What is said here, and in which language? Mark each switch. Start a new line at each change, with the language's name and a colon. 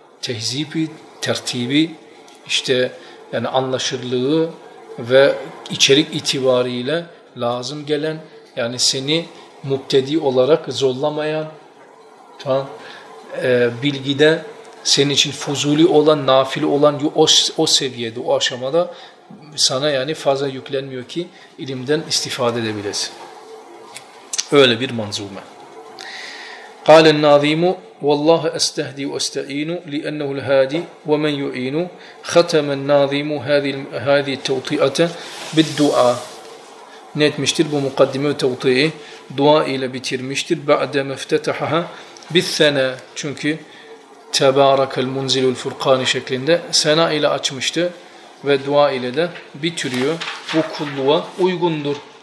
Turkish: Tehzibi, tertibi, işte yani anlaşırlığı ve içerik itibariyle lazım gelen, yani seni mübtedi olarak zorlamayan, tamam, bilgide senin için fuzuli olan, nafile olan o seviyede, o aşamada sana yani fazla yüklenmiyor ki ilimden istifade edebilesin. Öyle bir manzume.
Arabic: قال النظيم والله استهدي واستعين لانه الهادي ومن يعين ختم النظيم هذه التوطئه بالدعاء.
Turkish: Ne etmiştir bu mukaddime ve tevtiyi? Dua ile bitirmiştir.
Arabic: Ba'de meftetahaha bithena.
Turkish: Çünkü tebarekel munzilul furkani şeklinde sena ile açmıştı. Ve dua ile de bitiriyor. Bu kulluğa uygundur.